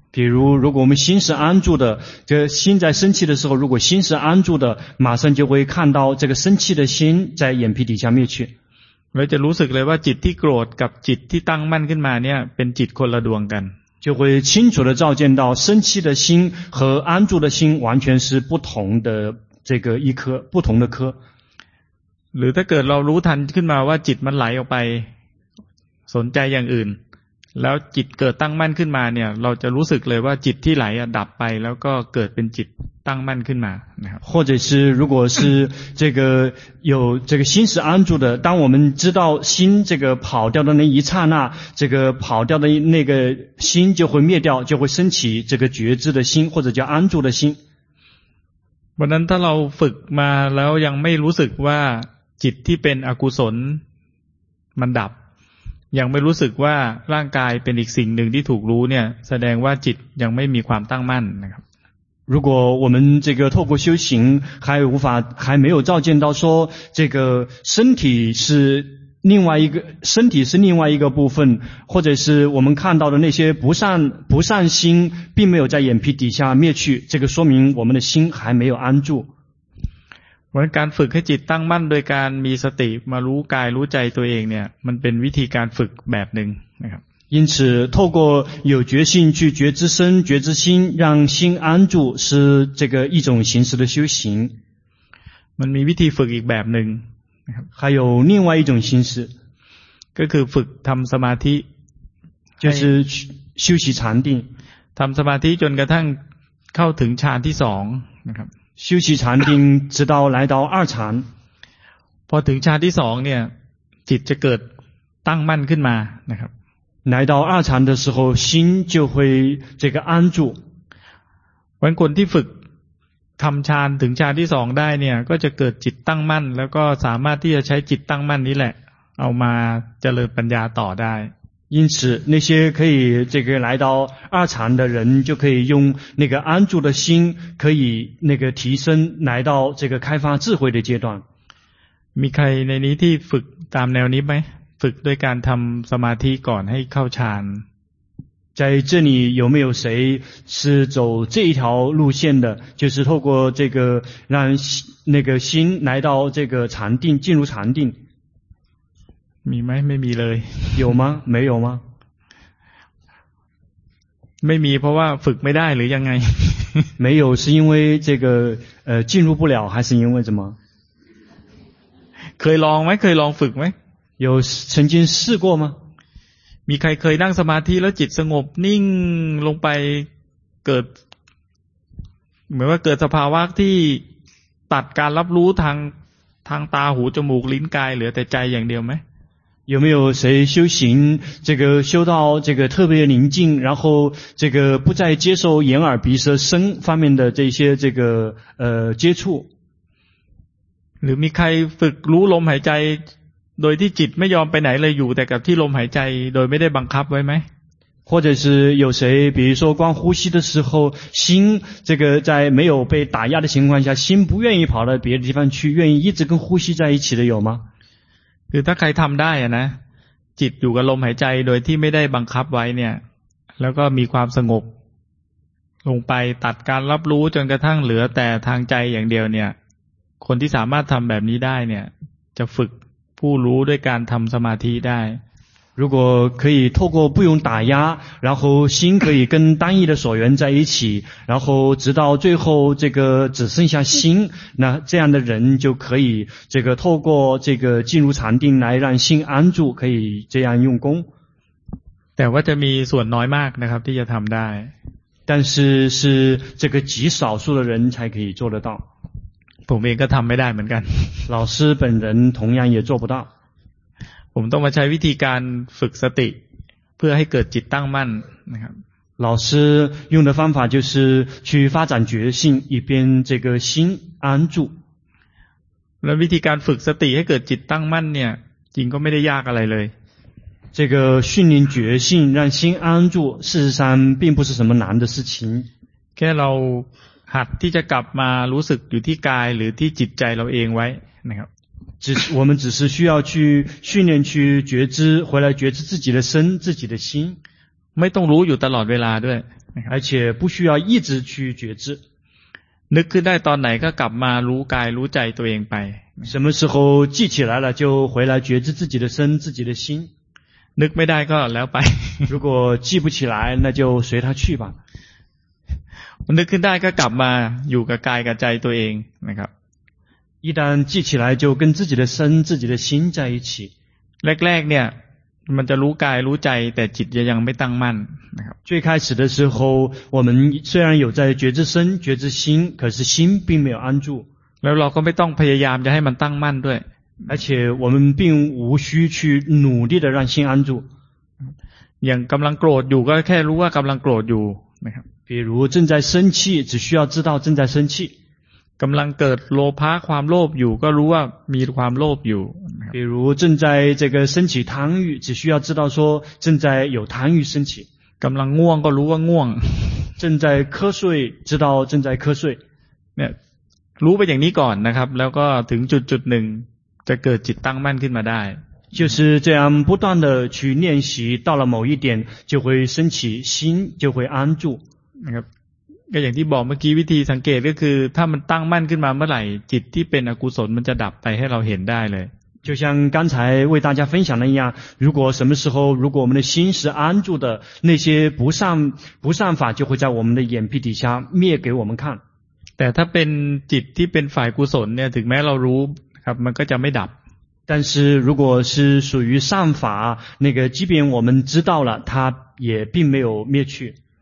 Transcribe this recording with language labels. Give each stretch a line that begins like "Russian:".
Chinese: 比如如果我们心是安住的这心在生气的时候如果心是安住的马上就会看到这个生气的心在眼皮底下灭去
Thai: เราจะรู้สึกเลยว่าจิตที่โกรธกับจิตที่ตั้งมั่นขึ้นมาเนี่ยเป็นจิตคนละดวงกัน
Chinese: 就会清楚地照见到生气的心和安住的心完全是不同的这个一颗不同的颗
Thai: หรือถ้าเกิดเรารู้ทันขึ้นมาว่าจิตมันไหลออกไปสนใจอย่างอื่นแล้วจิตเกิดตั้งมั่นขึ้นมาเนี่ยเราจะรู้สึกเลยว่าจิตที่ไหลดับไปแล้วก็เกิดเป็นจิตตั้งมั่นขึ้นมานะครับ
Chinese: 或者是如果是这个有这个心是安住的当我们知道心这个跑掉的那一刹那这个跑掉的那个心就会灭掉就会升起这个觉知的心或者叫安住的心
Thai: วันนั้นถ้าเราฝึกมาแล้วยังไม่รู้สึกว่าจิตที่เป็นอกุศลมันดับยังไม่รู้สึกว่าร่างกายเป็นอีกสิ่งหนึ่งที่ถูกรู้เนี่ยแสดงว่าจิตยังไม่มีความตั้งมั่นนะครับ
Chinese: 如果我们这个透过修行还无法还没有照见到说这个身体是另外一个身体是另外一个部分或者是我们看到的那些不善心并没有在眼皮底下灭去这个说明我们的心还没有安住
Thai: เพราะการฝึกให้จิตตั้งมั่นโดยการมีสติมารู้กายรู้ใจตัวเองเนี่ยมันเป็นวิธีการฝึกแบบหนึ่งนะครับ
Chinese: 因此透过有觉性去觉知身觉知心让心安住是这个一种形式的修行
Thai: มันมีวิธีฝึกอีกแบบหนึ่งนะครับ
Chinese: 还有另外一种形式
Thai: ก็คือฝึกทำสมาธิ
Chinese: 就是修习禅定
Thai: ทำสมาธิจนกระทั่งเข้าถึงฌานที่สองนะครับ
Chinese: 修习禅定直到来到二禅
Thai: พอถึงฌานที่สองเนี่ยจิตจะเกิดตั้งมั่นขึ้นมานะครับ
Chinese: 来到二禅的时候心就会这个安住
Thai: วันคนที่ฝึกทำฌานถึงฌานที่สองได้เนี่ยก็จะเกิดจิตตั้งมั่นแล้วก็สามารถที่จะใช้จิตตั้งมั่นนี้แหละเอามาเจริญปัญญาต่อได้
Chinese: 因此那些可以这个来到二禅的人就可以用那个安住的心可以那个提升来到这个开发智慧的阶段
Thai: มีใครในนี้ที่ฝึกตามแนวนี้ไหมฝึกด้วยการทำสมาธิก่อนให้เข้าฌาน
Chinese: 在这里有没有谁是走这一条路线的？就是透过这个让那个心来到这个禅定，进入禅定。没吗？没米了。有吗？没有吗？没米，
Thai: เพราะว่าฝึกไม่ได้หรือยังไง？
Chinese: 没有，是因为这个进入不了，还是因为什么？
Thai: เคยลองไหม？เคยลองฝึกไหม？
Chinese: 有曾经试过吗？
Thai: มีใครเคยนั่งสมาธิแล้วจิตสงบนิ่งลงไปเกิดเหมือนว่าเกิดสภาวะที่ตัดการรับรู้ทางตาหูจมูกลิ้นกายเหลือแต่ใจอย่างเดียวไหม
Chinese: 有没有谁修行这个修到这个特别宁静然后这个不再接受眼耳鼻舌身方面的这些这个接触
Thai: หรือมีใครฝึกรู้ลมหายใจโดยที่จิตไม่ยอมไปไหนเลยอยู่แต่กับที่ลมหายใจโดยไม่ได้บังคับไว้ไหม
Chinese: 或者是有谁比如说光呼吸的时候心这个在没有被打压的情况下心不愿意跑到别的地方去愿意一直跟呼吸在一起的有吗
Thai: คือถ้าใครทำได้อะนะจิตอยู่กับลมหายใจโดยที่ไม่ได้บังคับไว้เนี่ยแล้วก็มีความสงบลงไปตัดการรับรู้จนกระทั่งเหลือแต่ทางใจอย่างเดียวเนี่ยคนที่สามารถทำแบบนี้ได้เนี่ยจะฝึกผู้รู้ด้วยการทำสมาธิได้
Chinese: 如果可以透过不用打压然后心可以跟单一的所缘在一起然后直到最后这个只剩下心那这样的人就可以这个透过这个进入禅定来让心安住可以这样用功
Thai: แต่ว่าจะมีส่วนน้อยมากนะครับที่จะทำได้
Chinese: 但是是这个极少数的人才可以做得到
Thai: ผมเองก็ทำไม่ได้เหมือนกัน
Chinese: 老师本人同样也做不到
Thai: ผมต้องมาใช้วิธีการฝึกสติเพื่อให้เกิดจิตตั้งมั่นนะครับ
Chinese: 老师用的方法就是去发展觉性以便这个心安住
Thai: แล้ววิธีการฝึกสติให้เกิดจิตตั้งมั่นเนี่ยจริงก็ไม่ได้ยากอะไรเลย
Chinese: 这个训练觉性让心安住事实上并不是什么难的事情
Thai: แค่เราหัดที่จะกลับมารู้สึกอยู่ที่กายหรือที่จิตใจเราเองไว้นะครับ
Chinese: 我们只是需要去训练去觉知回来觉知自己的身自己的心
Thai: ไม่ต้องรู้อยู่ตลอดเวลาด้วย
Chinese: 而且不需要一直去觉知
Thai: นึกขึ้นได้ตอนไหนก็กลับมารู้กายรู้ใจตัวเองไป
Chinese: 什么时候记起来了就回来觉知自己的身自己的心
Thai: นึกไม่ได้ก็แล้วไป
Chinese: 如果记不起来那就随他去吧
Thai: นึกขึ้นได้ก็กลับมาอยู่กับกายกับใจตัวเองนะครับ
Chinese: 一旦记起来就跟自己的身自己的心在一起
Thai: แรกๆเนี่ยมันจะรู้กายรู้ใจแต่จิตยังไม่ตั้งมั่นนะครับ
Chinese: 最开始的时候我们虽然有在觉知身觉知心可是心并没有安住
Thai: แล้วเราก็ไม่ต้องพยายามจะให้มันตั้งมั่นด้วย
Chinese: 而且我们并无需去努力的让心安住
Thai: อย่างกำลังโกรธอยู่ก็แค่รู้ว่ากำลังโกรธอยู่นะครับ
Chinese: 比如正在生气只需要知道正在生气
Thai: กำลังเกิดโลภะความโลภอยู่ก็รู้ว่ามีความโลภอยู่
Chinese: 比如正在这个升起贪欲只需要知道说正在有贪欲升起
Thai: กำลังง่วงก็รู้ว่าง่วง
Chinese: 正在瞌睡知道正在瞌睡
Thai: เนี่ยรู้ไปอย่างนี้ก่อนนะครับแล้วก็ถึงจุดจุดหนึ่งจะเกิดจิตตั้งมั่นขึ้นมาได้
Chinese: 就是这样不断的去练习到了某一点就会升起心就会安住
Thai: นะครับก็อย่างที่บอกเมื่อกี้วิธีสังเกตก็คือถ้ามันตั้งมั่นขึ้นมาเมื่อไหร่จิตที่เป็นอกุศลมันจะดับไปให้เราเห็นได้เลย
Chinese: 就像刚才为大家分享的一样如果什么时候如果我们的心是安住的那些不善法就会在我们的眼皮底下灭给我们看
Thai: แต่ถ้าเป็นจิตที่เป็นฝ่ายกุศลเนี่ยถึงแม้เรารู้ครับมันก็จะไม่ดับ
Chinese: 但是如果是属于善法那个即便我们知道了它也并没有灭去